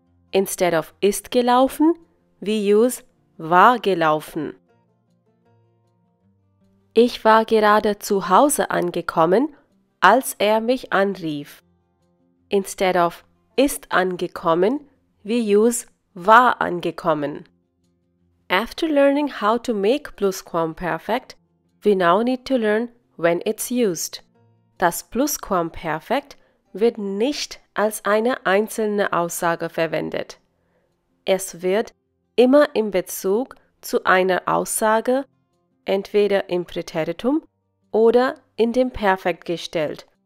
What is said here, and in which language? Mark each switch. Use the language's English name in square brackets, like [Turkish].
[English] Instead of [German] ist gelaufen, [English] we use [German] war gelaufen. Ich war gerade zu Hause angekommen, als er mich anrief. [English] Instead of [German] ist angekommen, [English] we use [German] war angekommen. [English] After learning how to make Plusquamperfekt, we now need to learn when it's used. [German] Das Plusquamperfekt wird nicht als eine einzelne Aussage verwendet. Es wird immer in Bezug zu einer Aussage, entweder im Präteritum oder in dem Perfekt gestellt.